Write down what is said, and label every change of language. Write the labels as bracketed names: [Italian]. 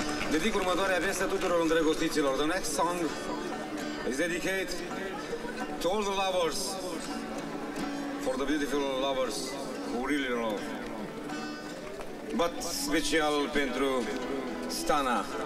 [Romanian] Dedic următoarea veste tuturor îndrăgostiților. [English] The next song is dedicated to all the lovers, for the beautiful lovers who really love. But special [Romanian] pentru [English] Stana.